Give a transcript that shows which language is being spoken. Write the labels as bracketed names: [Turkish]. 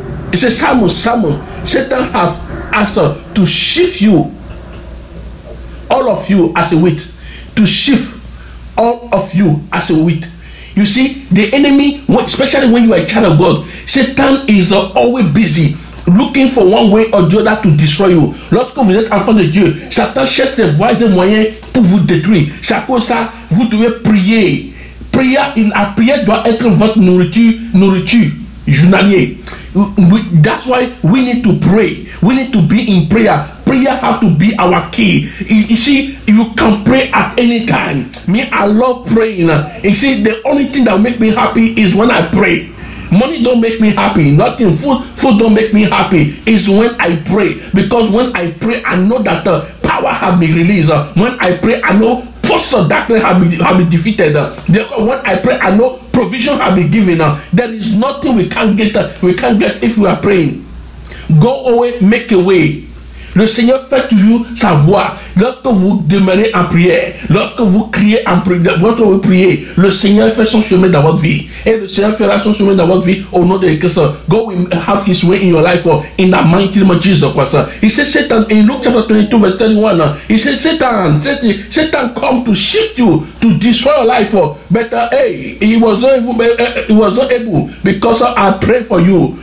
[English] He said, Simon, Satan has asked to shift you, all of you as a wheat. To shift all of you as a wheat. You see, the enemy, especially when you are a child of God, Satan is always busy looking for one way or the other to destroy you. [French] Lorsque vous êtes enfant de Dieu, Satan cherche des voies et moyens pour vous détruire. C'est à cause ça, vous devez prier. La prière doit être votre nourriture journalière. [English] That's why we need to pray. We need to be in prayer. Prayer has to be our key. You see, you can pray at any time. Me, I love praying. You see, the only thing that makes me happy is when I pray. Money don't make me happy. Nothing. Food don't make me happy. It's when I pray. Because when I pray, I know that power have been released. When I pray, I know force of darkness have been defeated. Therefore, when I pray, I know provision have been given. There is nothing we can't get if we are praying. Go away, make a way. [French] Le Seigneur fait toujours sa voix. Lorsque vous demeurez en prière, lorsque vous criez en prière, lorsque vous priez, le Seigneur fait son chemin dans votre vie. Et le Seigneur fera son chemin dans votre vie au nom de Christ. [English] God will have his way in your life in the mighty name of Jesus Christ. He said, Satan, in Luke chapter 22, verse 31, he said, Satan come to shift you, to destroy your life. But he was not able because I pray for you.